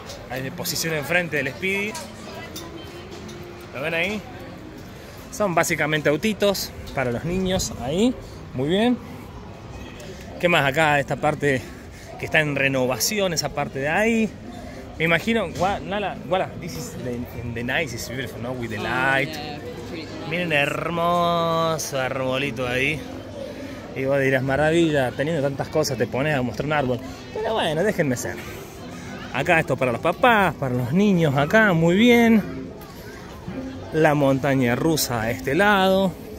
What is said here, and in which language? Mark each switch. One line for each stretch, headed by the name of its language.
Spanish: Ahí de posición enfrente del Speedy. ¿Lo ven ahí? Son básicamente autitos para los niños. Ahí, muy bien. ¿Qué más acá? Esta parte que está en renovación, esa parte de ahí. Me imagino,
English: this is the nice, it's beautiful, no? With the light. Oh, yeah.
Spanish: Miren, hermoso arbolito ahí. Y vos dirás, maravilla, teniendo tantas cosas te pones a mostrar un árbol. Pero bueno, déjenme ser. Acá esto para los papás, para los niños, acá, muy bien. La montaña rusa a este lado.